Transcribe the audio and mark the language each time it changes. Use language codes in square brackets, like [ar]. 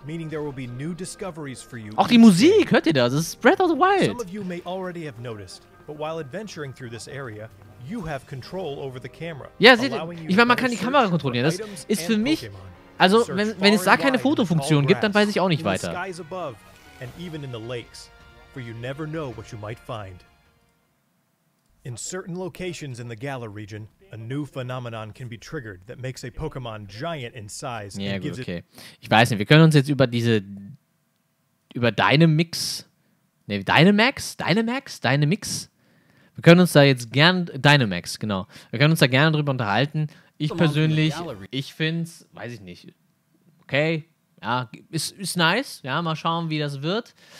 [en] Meaning there will be new discoveries for you. [de] Auch die Musik, hört ihr das? Das ist Breath of the Wild. [en] Some of you may already have noticed, but while adventuring through this area, you have control over the camera. [de] Ja, seht ihr, ich meine, man kann die Kamera kontrollieren. Das ist für mich, also wenn es da keine Fotofunktion gibt, dann weiß ich auch nicht weiter. [en] And even in the lakes, for you never know what you might find. In certain locations in the Galar region, a new phenomenon can be triggered that makes a Pokemon giant in size. [de] Ja, gut, okay. Ich weiß nicht, wir können uns jetzt über diese, über Dynamix, ne, Dynamix? Wir können uns da jetzt gern, Dynamax, genau. Wir können uns da gerne drüber unterhalten. Ich persönlich, ich find's, weiß ich nicht, okay, ja, ist nice, ja, mal schauen, wie das wird.